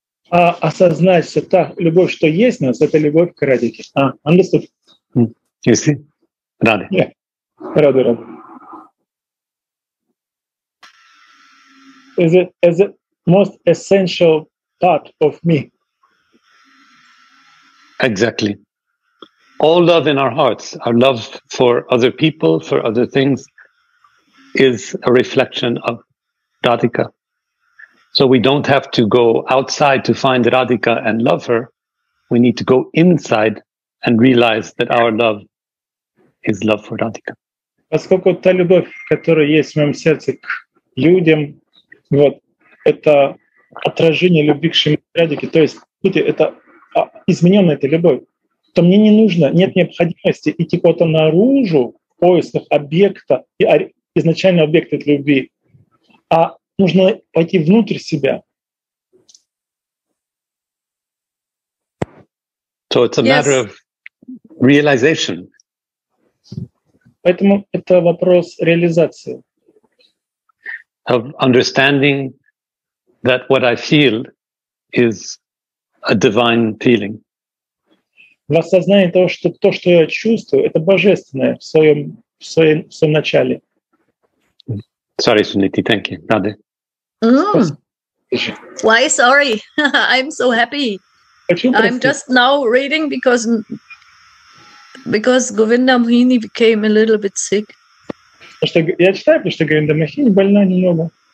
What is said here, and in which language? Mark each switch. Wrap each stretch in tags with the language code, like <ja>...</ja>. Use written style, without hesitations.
<ru>А осознать, что та любовь, что есть у нас, это любовь к Радхике.</ru> <en>А, understood. You see? Рады. Yeah. Рады, рады. Is it most essential part of me? Exactly. All love in our hearts, our love for other people, for other things, is a reflection of Radhika. So we don't have to go outside to find Radhika and love her. We need to go inside and realize that our love is love for Radhika.</en> <ru>Поскольку та любовь, которая есть в моем сердце к людям, вот, это отражение любви к Радхике. То есть, видите, это измененная эта любовь. То мне не нужно, нет необходимости идти куда-то наружу в поисках объекта и изначально объект этой любви, а нужно пойти внутрь себя.</ru> <en>So it's a matter of realization.</en> <ru>Поэтому это вопрос реализации.</ru> <en>Of understanding that what I feel is a divine feeling.</en> <ru>В осознании того, что то, что я чувствую, это божественное в своем начале.</ru> <en>Sorry, Suniti. Thank you. Rade. Why sorry? I'm so happy. I'm just now reading because Govinda Mohini became a little bit sick.</en> <ru>Я читаю, потому что Говинда Мохини больна немного.</ru>